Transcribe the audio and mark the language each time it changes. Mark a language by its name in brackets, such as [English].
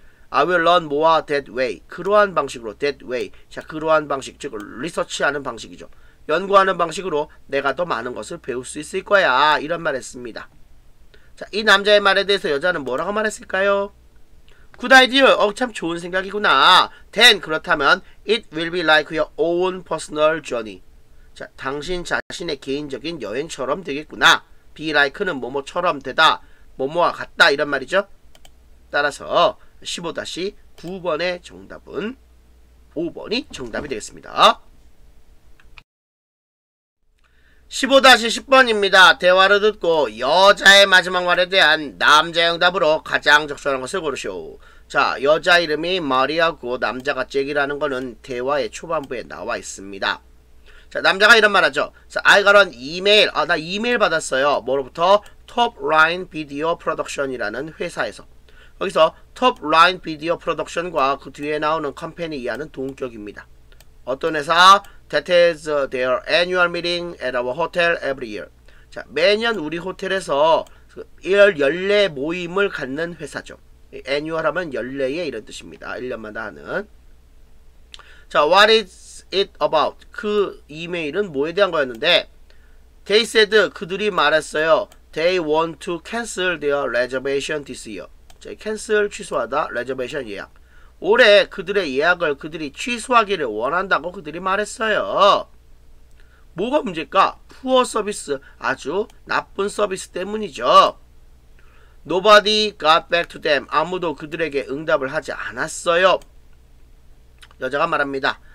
[English] I will learn more that way. [Korean] 그러한 방식으로 [English] that way. [Korean] 자, 그러한 방식, 즉 리서치하는 방식이죠. 연구하는 방식으로 내가 더 많은 것을 배울 수 있을 거야. 이런 말 했습니다. 자, 이 남자의 말에 대해서 여자는 뭐라고 말했을까요? [English] Good idea. [Korean] 참 좋은 생각이구나. [English] Then, [Korean] 그렇다면, [English] it will be like your own personal journey. [Korean] 자, 당신 자신의 개인적인 여행처럼 되겠구나. Be like는 뭐뭐처럼 되다. 뭐뭐와 같다. 이런 말이죠. 따라서, 15-9번의 정답은 5번이 정답이 되겠습니다. 15-10번입니다. 대화를 듣고, 여자의 마지막 말에 대한 남자의 응답으로 가장 적절한 것을 고르시오. 자, 여자 이름이 마리아고 남자가 잭이라는 거는 대화의 초반부에 나와 있습니다. 자, 남자가 이런 말 하죠. [English] I got an email. [Korean] 나 이메일 받았어요. 뭐로부터? Top Line Video Production이라는 회사에서. 여기서 Top Line Video Production과 그 뒤에 나오는 컴퍼니 이하는 동격입니다. 어떤 회사? [English] That is their annual meeting at our hotel every year. [Korean] 자, 매년 우리 호텔에서 연례 모임을 갖는 회사죠. Annual 하면 연례에 이런 뜻입니다. 1년마다 하는. 자, [English] what is it about? [Korean] 그 이메일은 뭐에 대한 거였는데 [English] They said, [Korean] 그들이 말했어요. [English] They want to cancel their reservation this year. [Korean] 자, cancel, 취소하다, reservation, 예약. 올해 그들의 예약을 그들이 취소하기를 원한다고 그들이 말했어요. 뭐가 문제일까? [English] Poor service, [Korean] 아주 나쁜 서비스 때문이죠. [English] Nobody got back to them. [Korean] 아무도 그들에게 응답을 하지 않았어요. 여자가 말합니다.